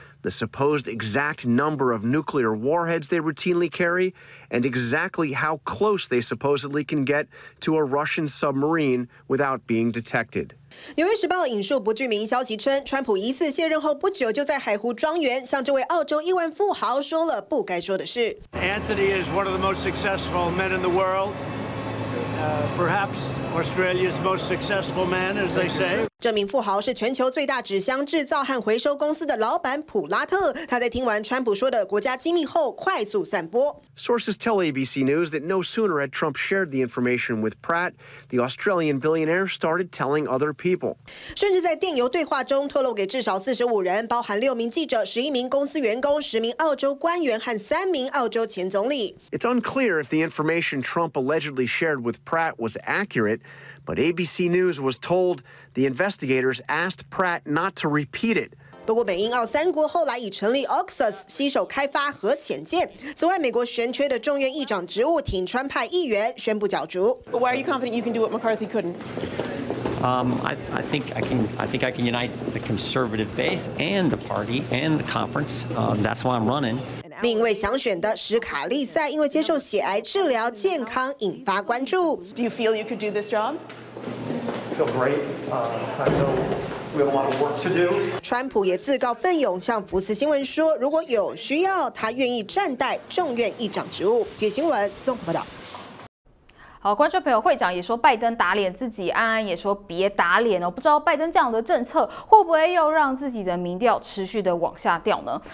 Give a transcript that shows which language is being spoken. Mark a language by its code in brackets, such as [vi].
[en] the supposed exact number of nuclear warheads they routinely carry, and exactly how close they supposedly can get to a Russian submarine without being detected. [zh] 《纽约时报》引述不具名消息称，川普疑似卸任后不久就在海湖庄园向这位澳洲亿万富豪说了不该说的事。 [en] Anthony is one of the most successful men in the world, perhaps Australia's most successful man, as they say. [zh] 这名富豪是全球最大纸箱制造和回收公司的老板普拉特。他在听完川普说的国家机密后，快速散播。 [en] Sources tell ABC News that no sooner had Trump shared the information with Pratt, the Australian billionaire started telling other people. [zh] 甚至在电邮对话中透露给至少45人，包含6名记者、11名公司员工、10名澳洲官员和3名澳洲前总理。 [en] It's unclear if the information Trump allegedly shared with Pratt was accurate. But ABC News was told the investigators asked Pratt not to repeat it. [zh] 不过，美英澳三国后来已成立 AUKUS， 携手开发核潜舰。此外，美国悬缺的众院议长职务，挺川派议员宣布角逐。 [en] But why are you confident you can do what McCarthy couldn't? I think I can unite the conservative base and the party and the conference. That's why I'm running. [zh] 另一位想选的史卡利塞，因为接受血癌治疗，健康引发关注。 [en] Do you feel you could do this job? Feel great. I know we have a lot of work to do. [zh] 川普也自告奋勇向福斯新闻说，如果有需要，他愿意暂代众院议长职务。体新闻综合报道。好，观众朋友，会长也说拜登打脸自己，安安也说别打脸哦。不知道拜登这样的政策会不会又让自己的民调持续的往下掉呢？